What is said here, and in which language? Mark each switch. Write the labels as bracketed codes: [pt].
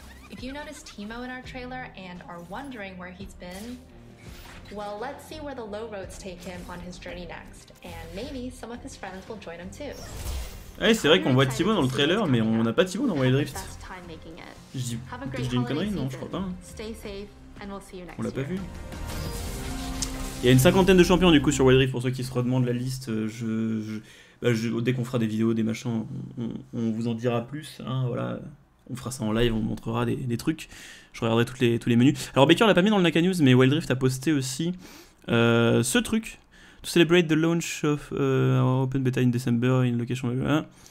[en] If you notice Teemo in our trailer and are wondering where he's been, well, let's see where the low roads take him on his journey next, and maybe some of his friends will join him too. [fr] Hey, c'est vrai qu'on voit Teemo dans le trailer, mais on n'a pas Teemo dans Wild Rift. Je dis une connerie, non, je crois pas. [en] Stay safe, and we'll see you next. [fr] On l'a pas vu. Il y a une cinquantaine de champions du coup sur Wild Rift pour ceux qui se redemandent la liste. Dès qu'on fera des vidéos, des machins, on vous en dira plus. Hein, voilà. On fera ça en live, on montrera des trucs. Je regarderai tous les menus. Alors Baker l'a pas mis dans le Nakanews, mais Wild Rift a posté aussi ce truc. [en] To celebrate the launch of our open beta in December in location.